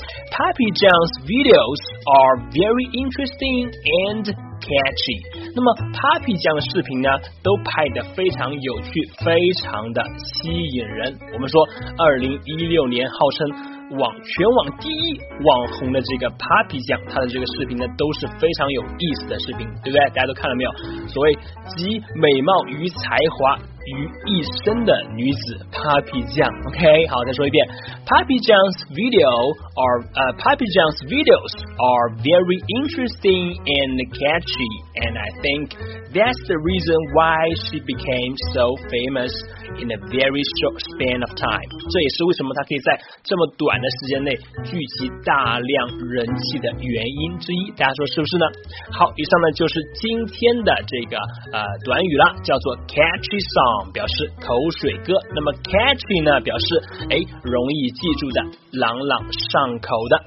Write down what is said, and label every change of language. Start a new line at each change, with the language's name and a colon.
English: Papi John's videos are very interesting and catchy。
Chinese: 那么 Papi 酱的视频呢都拍得非常有趣，非常的吸引人。我们说2016年号称全网第一网红的这个 Papi 酱，他的这个视频呢都是非常有意思的视频，对不对？大家都看了没有？所谓集美貌与才华于一身的女子 Papi 酱， OK。好，再说一遍，
English: Papi 酱's videos are very interesting and catchy， and I think that's the reason why she became so famous in a very short span of time。
Chinese: 这也是为什么她可以在这么短的时间内聚集大量人气的原因之一，大家说是不是呢？好，以上呢就是今天的这个短语了，叫做 catchy song，表示口水歌。那么 catchy 呢表示容易记住的，朗朗上口的。